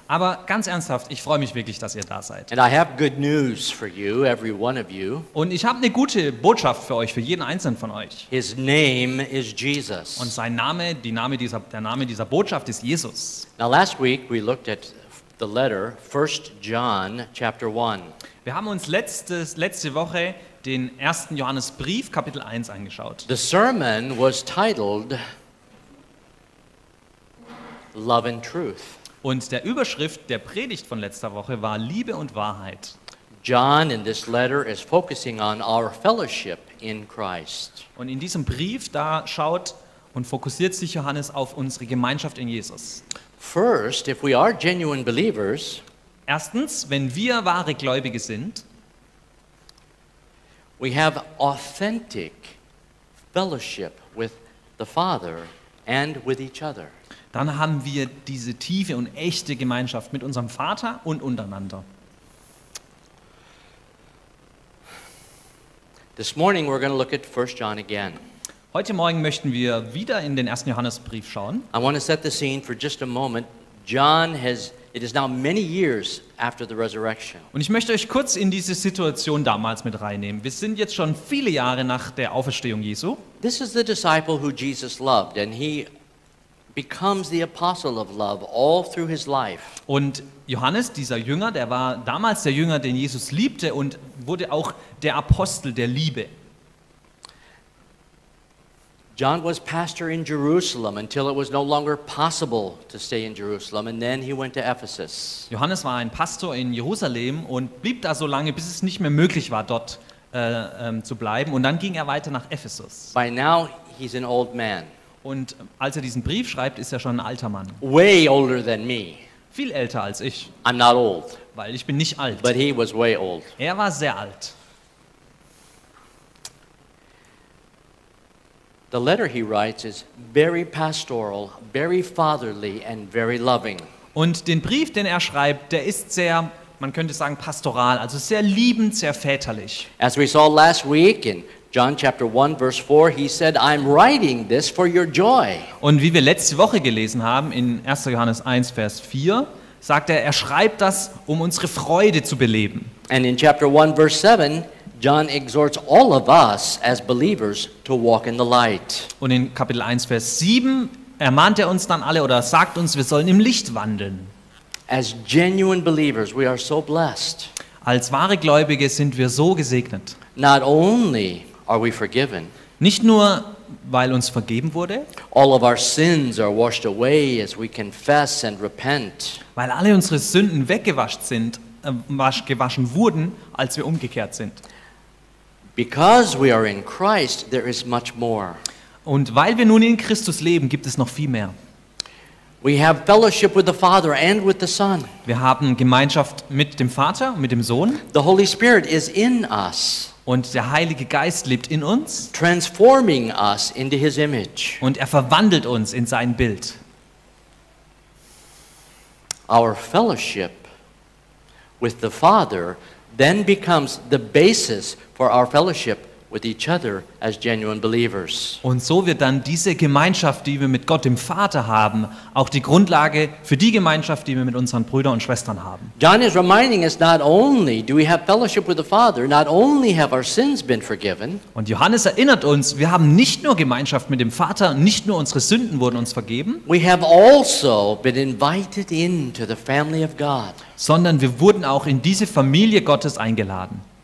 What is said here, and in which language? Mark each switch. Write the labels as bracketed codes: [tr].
[de] Aber ganz ernsthaft, ich freue mich wirklich, dass ihr da seid. [en] And I have good news for you, every one of you. [de] Und ich habe eine gute Botschaft für euch, für jeden einzelnen von euch. [en] His name is Jesus. [de] Und sein Name, der Name dieser Botschaft ist Jesus. [en] Now last week we looked at the letter 1 John chapter 1. [de] Wir haben uns letzte Woche den ersten Johannesbrief Kapitel 1 angeschaut. [en] The sermon was titled Love and Truth. [de] Und der Überschrift der Predigt von letzter Woche war Liebe und Wahrheit. [en] John in this letter is focusing on our fellowship in Christ. [de] Und in diesem Brief da schaut und fokussiert sich Johannes auf unsere Gemeinschaft in Jesus. [en] First, if we are genuine believers, [de] erstens, wenn wir wahre Gläubige sind, [en] we have authentic fellowship with the Father and with each other. [de] Dann haben wir diese tiefe und echte Gemeinschaft mit unserem Vater und untereinander. [en] This morning we're going to look at 1 John again. [de] Heute Morgen möchten wir wieder in den ersten Johannesbrief schauen. [en] I want to set the scene for just a moment. It is now many years after the resurrection. [de] Und ich möchte euch kurz in diese Situation damals mit reinnehmen. Wir sind jetzt schon viele Jahre nach der Auferstehung Jesu. [en] This is the disciple who Jesus loved, and he becomes the apostle of love all through his life. [de] Und Johannes, dieser Jünger, der war damals der Jünger, den Jesus liebte und wurde auch der Apostel der Liebe. [en] John was pastor in Jerusalem until it was no longer possible to stay in Jerusalem, and then he went to Ephesus. [de] Johannes war ein Pastor in Jerusalem und blieb da so lange, bis es nicht mehr möglich war, dort zu bleiben, und dann ging er weiter nach Ephesus. [en] By now he's an old man. [de] Und als er diesen Brief schreibt, ist er schon ein alter Mann. [en] Way older than me. [de] Viel älter als ich. [en] I'm not old. [de] Weil ich bin nicht alt. [en] But he was way old. [de] Er war sehr alt. [en] The letter he writes is very pastoral, very fatherly and very loving. [de] Und den Brief, den er schreibt, der ist sehr, man könnte sagen, pastoral, also sehr liebend, sehr väterlich. [en] As we saw last week in John chapter 1 verse 4, he said, I'm writing this for your joy. [de] Und wie wir letzte Woche gelesen haben in 1. Johannes 1 Vers 4, sagt er schreibt das, um unsere Freude zu beleben. [en] And in chapter 1 verse 7, John exhorts all of us as believers to walk in the light. [de] Und in Kapitel 1 Vers 7 ermahnt er uns dann alle oder sagt uns, wir sollen im Licht wandeln. [en] As genuine believers, we are so blessed. [de] Als wahre Gläubige sind wir so gesegnet. [en] Not only are we forgiven. [de] Nicht nur weil uns vergeben wurde. [en] All of our sins are washed away as we confess and repent. [de] Weil alle unsere Sünden weggewaschen sind, gewaschen wurden, als wir umgekehrt sind. [en] Because we are in Christ, there is much more. [de] Und weil wir nun in Christus leben, gibt es noch viel mehr. [en] We have fellowship with the Father and with the Son. [de] Wir haben Gemeinschaft mit dem Vater und mit dem Sohn. [en] The Holy Spirit is in us. [de] Und der Heilige Geist lebt in uns. [en] Transforming us into his image. [de] Und verwandelt uns in sein Bild. [en] Our fellowship with the Father then becomes the basis for our fellowship with each other as genuine believers. [de] Und so wird dann diese Gemeinschaft, die wir mit Gott dem Vater haben, auch die Grundlage für die Gemeinschaft, die wir mit unseren Brüdern und Schwestern haben. [en] John is reminding us not only do we have fellowship with the Father, not only have our sins been forgiven. [de] Und Johannes erinnert uns, wir haben nicht nur Gemeinschaft mit dem Vater, nicht nur unsere Sünden wurden uns vergeben. [en] We have also been invited into the family of God. [de] Sondern wir wurden auch in diese Familie Gottes eingeladen.